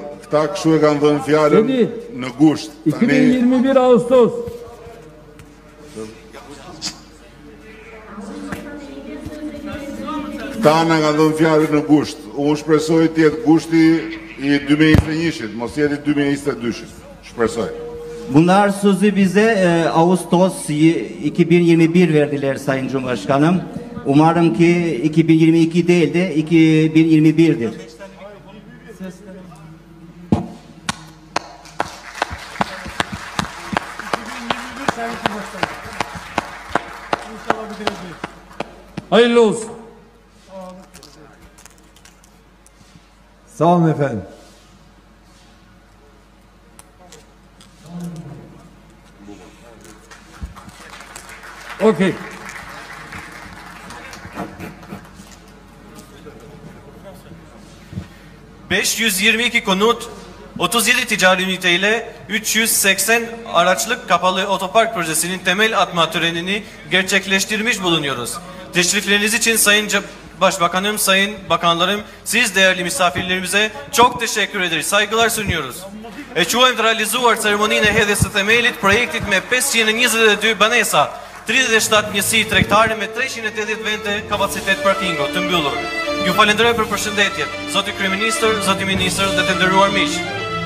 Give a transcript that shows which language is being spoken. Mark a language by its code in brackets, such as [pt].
[sq] Tak şu ekan dhe në fjallën në gusht. [tr] 2021 Ağustos. [sq] Tana ka dhënë fjalën në gusht. Unë shpresoj të jetë gushti i 2021-shit, mos jetë i 2022-shit. Shpresoj. [tr] Bunlar sözü bize Ağustos 2021 verdiler Sayın Cumhurbaşkanım. Umarım ki 2022 değil de 2021'dir. Hayırlı olsun. Sağ olun efendim. Okey. ...522 konut, 37 ticari üniteyle 380 araçlık kapalı otopark projesinin temel atma törenini gerçekleştirmiş bulunuyoruz. Teşrifleriniz için Sayın Başbakanım, Sayın Bakanlarım, siz değerli misafirlerimize çok teşekkür ederiz. Saygılar sunuyoruz. [sq] e quajmë të realizuar ceremoninë e hedhjes së themelit projektit me 522 banesa, 37 njësi tregtare me 380 vente kapacitet parkingo të mbyllur. Ju falenderoj për përshëndetjet, Zoti Kryeministër, Zoti Ministër dhe të nderuar miqë.